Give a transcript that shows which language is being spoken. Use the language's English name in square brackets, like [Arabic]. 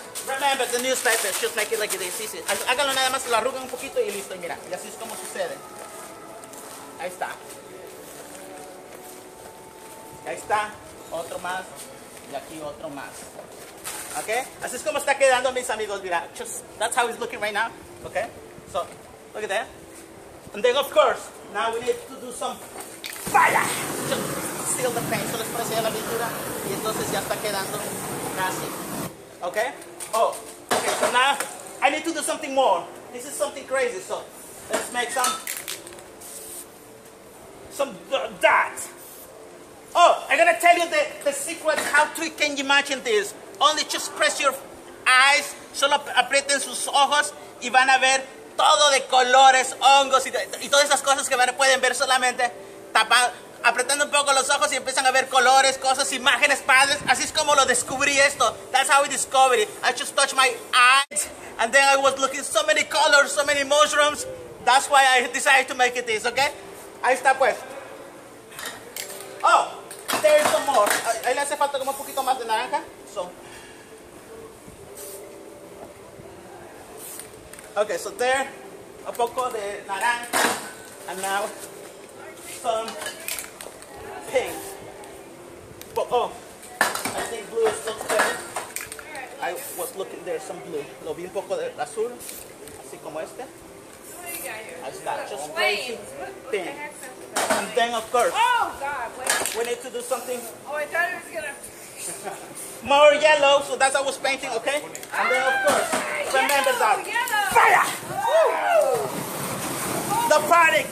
[English] Remember the newspaper, just make it like it is. Easy. [Spanish] Hágalo nada más, lo arruguen un poquito y listo. Y mira, y así es como sucede. Ahí está. Ahí está. Otro más. Y aquí otro más. Ok. Así es como está quedando, mis amigos. Mira, [English] just, that's how it's looking right now. Ok. So, look at that. And then, of course, now we need to do some fire. Just seal the paint. [Spanish] Solo es para sellar la pintura. Y entonces ya está quedando casi. Ok. [English] Oh, okay, so now I need to do something more. This is something crazy, so let's make some some dot. Oh, I'm gonna tell you the secret how to, can you imagine this? Only just press your eyes, [Spanish] solo aprieten sus ojos y van a ver todo de colores, hongos y todas esas cosas que van a pueden ver solamente tapado, apretando un poco los ojos y empiezan a ver colores, cosas, imágenes, padres. Así es como lo descubrí esto. [English] That's how I discovered it. I just touched my eyes and then I was looking so many colors, so many mushrooms. That's why I decided to make it this, okay? [Spanish] Ahí está pues. [English] Oh, there's some more. [Spanish] Ahí le hace falta como un poquito más de naranja. [English] So. Okay, so there, [Spanish] a poco de naranja. [English] And now, some pink. But, oh, I think blue is looks better. I was looking there, some blue. [Spanish] Lo vi un poco de azul, así como este. [English] Yeah, I got just crazy. And then of course, oh God, wait. We need to do something. Oh, I thought it was gonna more yellow. So that's what I was painting, okay? And then of course, remember yellow, yellow. Fire! Oh. The panic.